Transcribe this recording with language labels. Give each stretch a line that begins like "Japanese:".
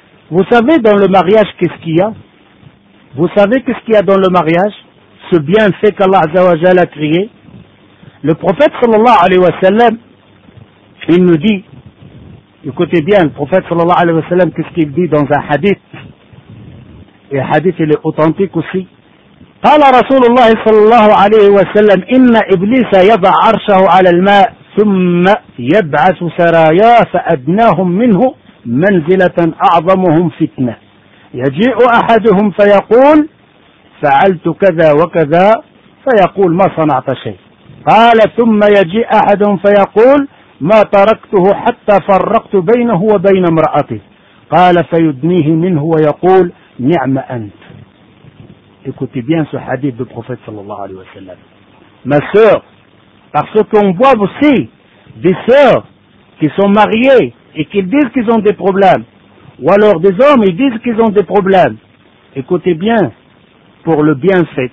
French: Vous savez dans le mariage qu'est-ce qu'il y a? Vous savez qu'est-ce qu'il y a dans le mariage? Ce bienfait qu'Allah Azza wa Jalla a créé. Le prophète sallallahu alayhi wa sallam, il nous dit, écoutez bien, le prophète sallallahu alayhi wa sallam, qu'est-ce qu'il dit dans un hadith? Et le hadith il est authentique aussi.
Arabic: قال رسول الله صلى الله عليه وسلم إن إبليس يضع عرشه على الماء ثم يبعث سراياه فأدناهم منه منزلة أعظمهم فتنة يجيء أحدهم فيقول فعلت كذا وكذا فيقول ما صنعت شيء قال ثم يجيء أحدهم فيقول ما تركته حتى فرقت بينه وبين امرأته قال فيدنيه منه ويقول نعم أنت.
French: Écoutez bien ce hadith du prophète sallallahu alayhi wa sallam. Ma sœur, parce qu'on voit aussi des sœurs qui sont mariées et qui disent qu'ils ont des problèmes. Ou alors des hommes, ils disent qu'ils ont des problèmes. Écoutez bien, pour le bienfait.